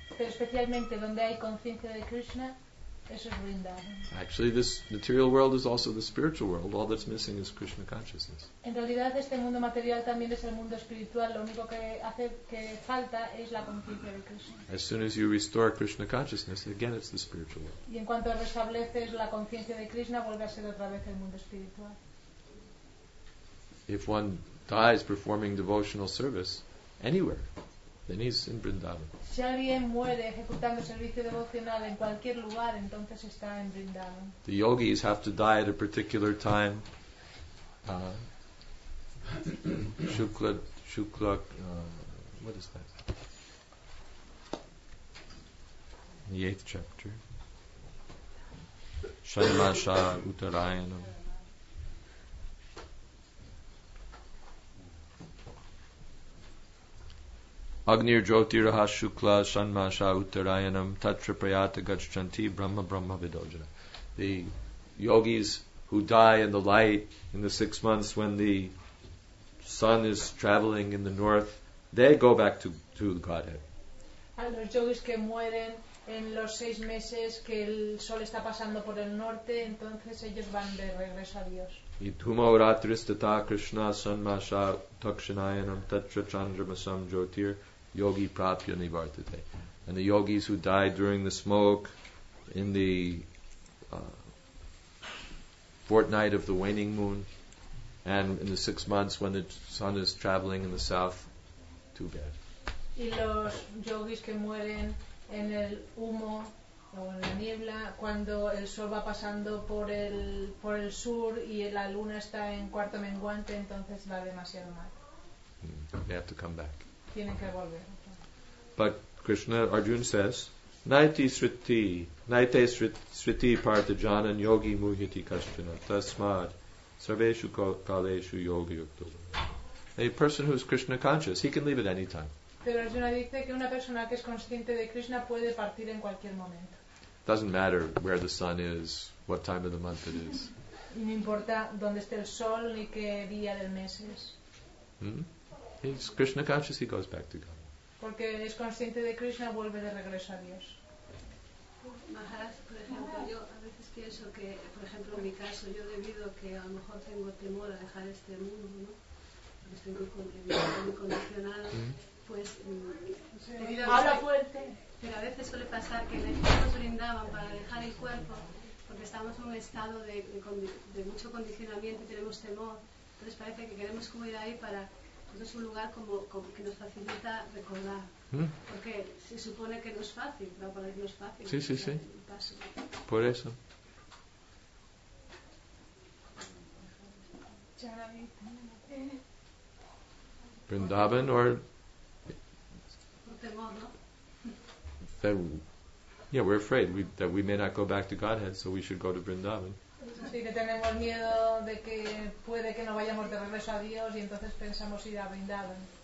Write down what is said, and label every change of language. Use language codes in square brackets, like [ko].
[es] Pero especialmente donde hay conciencia de Krishna, eso es Vrindavan. [en] Actually, this material world is also the spiritual world. All that's missing is Krishna consciousness. [es] En realidad, este mundo material también es el mundo espiritual. Lo único que hace que falta es la conciencia de Krishna. [en] As soon as you restore Krishna consciousness, again, it's the spiritual world. [es] Y en cuanto restableces la conciencia de Krishna, vuelve a ser otra vez el mundo espiritual. [en] If one dies performing devotional service anywhere, then he's in Vrindavan. [es] Si alguien muere ejecutando servicio devocional en cualquier lugar, entonces está en Vrindavan. [en] The yogis have to die at a particular time. Shukla, what is that? The 8th chapter. [sa] Shaimasha Uttarayanam. Agnir Jyotiraha Shukla Shanmasha Uttarayanam Tatra Prayata Gachanti Brahma Brahma Vidojana. [en] The yogis who die in the light in the 6 months when the sun is traveling in the north, they go back to the Godhead. [es] A los yogis que mueren en los 6 meses que el sol está pasando por el norte, entonces ellos van de regreso a Dios. [sa] Ithumo ratristata Krishna Shanmasha Takshanayanam Tatra Chandramasam Jyotir Yogi Prapya Nivartate. [en] And the yogis who died during the smoke in the fortnight of the waning moon and in the 6 months when the sun is traveling in the south, too bad. [es] Y los yogis que mueren en el humo o en la niebla, cuando el sol va pasando por el sur y la luna está en cuarto menguante, entonces va demasiado mal. [en] They have to come back. [es] Tienen que volver. [en] But Krishna, Arjuna says, [sa] Naite sriti parta jana yogi muhiti kashchana tasmad sarveshu kaleshu yogi yukto. [en] A person who is Krishna conscious, he can leave at any time. [es] Pero Arjuna dice que una persona que es consciente de Krishna puede partir en cualquier momento. Doesn't matter where the sun is, what time of the month it is. Y no importa dónde esté el sol ni qué día del mes es. He's Krishna conscious, he goes back to God. Porque es consciente de Krishna, vuelve de regreso a Dios. Maharaj, por ejemplo, yo a veces pienso que, por ejemplo, en mi caso, yo debido a que a lo mejor tengo temor a dejar este mundo, ¿no? Porque estoy muy condicionada, pues... ¡Habla fuerte! Pero a veces suele pasar que nos brindaban para dejar el cuerpo, porque estamos en un estado de mucho condicionamiento y tenemos temor, entonces parece que queremos huir ahí para... Es un lugar como que nos facilita recordar. Porque se supone que no es fácil, pero para ellos no es fácil. Sí, sí, sí. Por eso. [en] Vrindavan or... [es] Por temor, ¿no? [en] Yeah, we're afraid that we may not go back to Godhead, so we should go to Vrindavan. [es] Sí, que tenemos miedo de que puede que no vayamos de regreso a Dios y entonces pensamos ir a Vrindavan.